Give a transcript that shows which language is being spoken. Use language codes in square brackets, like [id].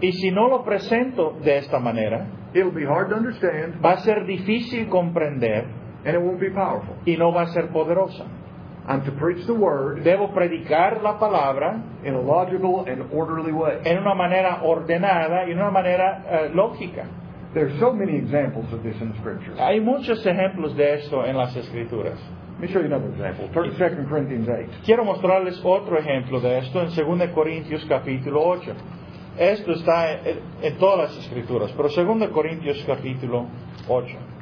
[es] y si no lo presento de esta manera, [en] it'll be hard to understand, [es] va a ser difícil comprender, [en] and it won't be powerful. [es] Y no va a ser poderosa. [en] I'm to preach the word, [es] debo predicar la palabra [en] in a logical and orderly way. [es] En una manera ordenada y en una manera lógica. [en] There are so many examples of this in the scriptures. [es] Hay muchos ejemplos de esto en las escrituras. [en] Let me show you another example. Turn to 2 Corinthians 8. [es] Quiero mostrarles otro ejemplo de esto en 2 Corintios capítulo 8. Esto está en todas las escrituras, pero 2 Corintios capítulo 8.